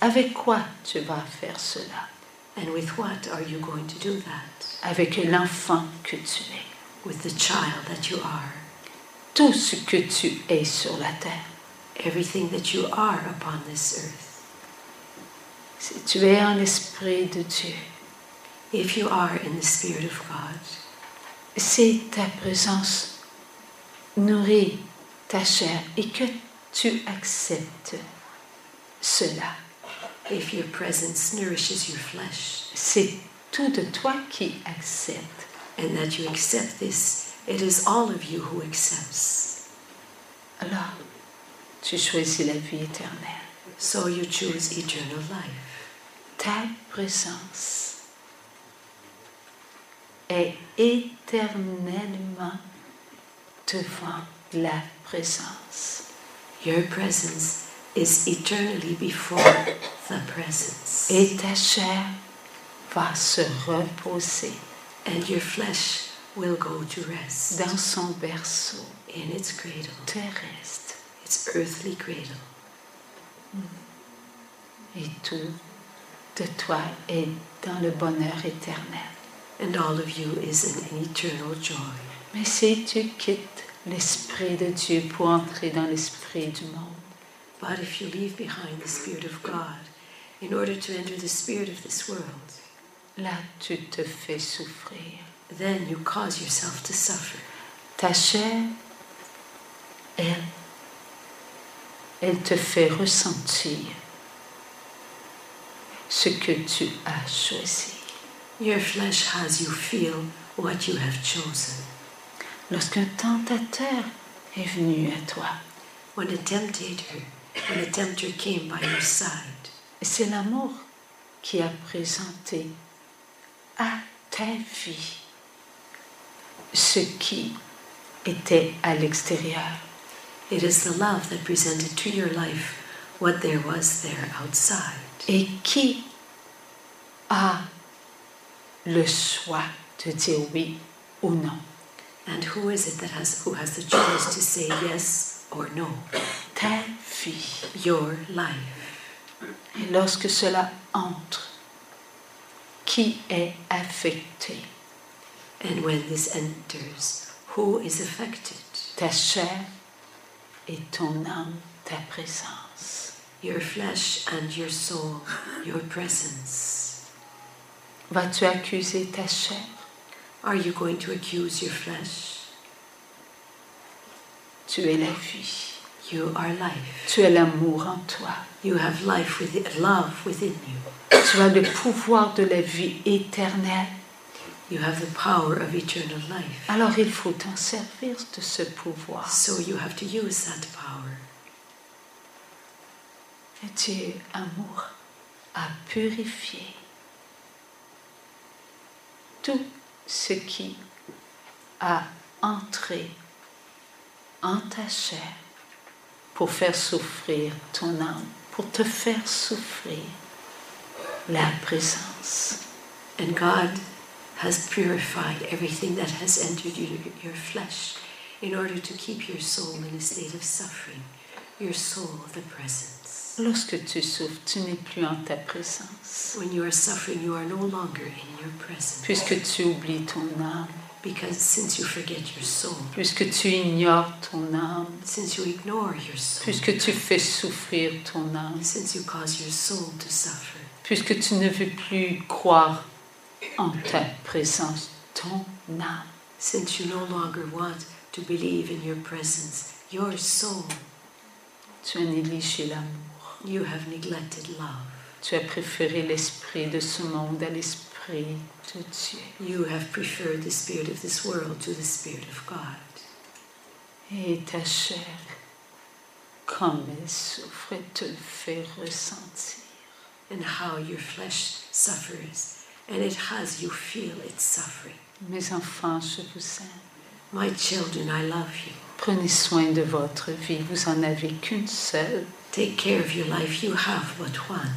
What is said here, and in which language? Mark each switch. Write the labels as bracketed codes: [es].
[fr] Avec quoi tu vas faire cela? [en] And with what are you going to do that? [fr] Avec l'enfant que tu es. [en] With the child that you are. [fr] Tout ce que tu es sur la terre. [en] Everything that you are upon this earth. [fr] Si tu es en esprit de Dieu. [en] If you are in the Spirit of God. [fr] Si ta présence nourrit ta chair et que tu acceptes cela. [en] If your presence nourishes your flesh. [fr] C'est tout de toi qui accepte. [en] And that you accept this, it is all of you who accepts. [fr] Alors, tu choisis la vie éternelle. [en] So you choose eternal life. [fr] Ta présence est éternellement devant la présence. [en] Your presence is eternally before the presence. [fr] Et ta chair va se reposer. [en] And your flesh will go to rest. [fr] Dans son berceau. [en] In its cradle. [fr] Terrestre. [en] Its earthly cradle. [fr] Et tout de toi est dans le bonheur éternel. [en] And all of you is in an eternal joy. [fr] Mais si tu quittes l'Esprit de Dieu pour entrer dans l'Esprit du monde, [en] but if you leave behind the Spirit of God in order to enter the spirit of this world, [fr] là, tu te fais souffrir. [en] Then you cause yourself to suffer. [fr] Ta chair, elle te fait ressentir ce que tu as choisi. [en] Your flesh has you feel what you have chosen. [fr] Lorsqu'un tentateur est venu à toi, [en] when a tempter an attempter came by your side. [fr] C'est l'amour qui a présenté à ta vie ce qui était à l'extérieur. [en] It is the love that presented to your life what there was there outside. [fr] Et qui a le choix de dire oui ou non? [en] And who is it that has the choice to say yes or no? [fr] Ta vie. [en] Your life. [fr] Et lorsque cela entre, qui est affecté? [en] And when this enters, who is affected? [fr] Ta chair et ton âme, ta présence. [en] Your flesh and your soul, your presence. [fr] Vas-tu accuser ta chair? [en] Are you going to accuse your flesh? [fr] Tu es la vie. [en] You are life. [fr] Tu as l'amour en toi. [en] You have life within, love within you. [fr] Tu as le pouvoir de la vie éternelle. [en] You have the power of eternal life. [fr] Alors il faut t'en servir de ce pouvoir. [en] So you have to use that power. [fr] Et tu es amour à purifier tout ce qui a entré en ta chair. Pour faire souffrir ton âme, pour te faire souffrir la présence. [en] And God has purified everything that has entered your flesh in order to keep your soul in a state of suffering, your soul, the presence. [fr] Lorsque tu souffres, tu n'es plus en ta présence. [en] When you are suffering, you are no longer in your presence. [fr] Puisque tu oublies ton âme. [en] Because since you forget your soul, [fr] puisque tu ignores ton âme, [en] since you ignore your soul, [fr] puisque tu fais souffrir ton âme, [en] since you cause your soul to suffer, [fr] puisque tu ne veux plus croire en ta présence, ton âme, [en] since you no longer want to believe in your presence, your soul, [fr] tu as négligé l'amour, [en] you have neglected love. [fr] Tu as préféré l'esprit de ce monde à l'esprit de Dieu. [en] You have preferred the spirit of this world to the spirit of God. [fr] Et ta chair, comme elle souffre, te le fait ressentir. [en] And how your flesh suffers, and it has you feel its suffering. [fr] Mes enfants, je vous aime. [en] My children, I love you. [fr] Prenez soin de votre vie, vous en avez qu'une seule. [en] Take care of your life, you have but one.